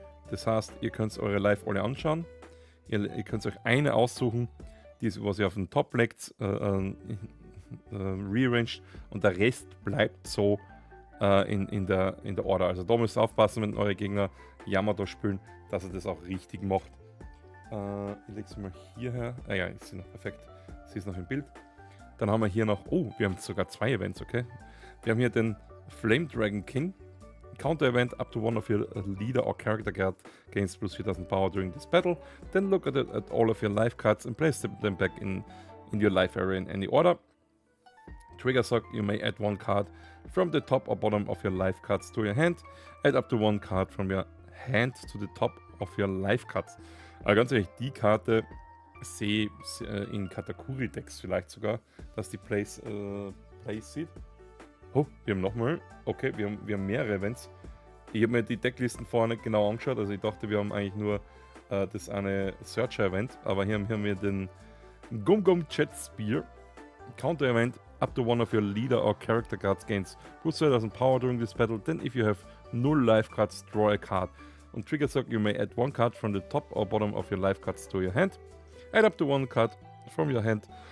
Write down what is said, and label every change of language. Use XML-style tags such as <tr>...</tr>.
<de>Das heißt, ihr könnt eure Life alle anschauen, ihr könnt euch eine aussuchen, die ist, was ihr auf den Top legt, rearranged, und der Rest bleibt so in der Order. Also da müsst ihr aufpassen, wenn eure Gegner Yamato spielen, dass er das auch richtig macht. Ich lege es mal hier her. Ah ja, ich sehe noch perfekt. Sie ist noch im Bild. Dann haben wir hier noch, oh, wir haben sogar zwei Events, okay. Wir haben hier den Flame Dragon King.</de> <en>Counter Event up to one of your leader or character card gains plus 4000 power during this battle. Then look at all of your life cards and place them back in your life area in any order. Trigger sock, you may add one card from the top or bottom of your life cards to your hand. Add up to one card from your hand to the top of your life cards.</en> <de>Also ganz ehrlich, die Karte sehe ich in Katakuri Decks vielleicht sogar, dass die Place sieht. Oh, wir haben nochmal. Okay, wir haben mehrere Events. Ich habe mir die Decklisten vorne genau angeschaut. Also ich dachte, wir haben eigentlich nur das eine Searcher-Event. Aber hier haben wir den Gum Gum Jet Spear.</de> <en>Counter-Event. Up to one of your leader or character cards gains plus 2000 power during this battle. Then if you have null life cards, draw a card.</en> <de>Und Trigger sagt,</de> <en>you may add one card from the top or bottom of your life cards to your hand. Add up to one card from your hand.</en>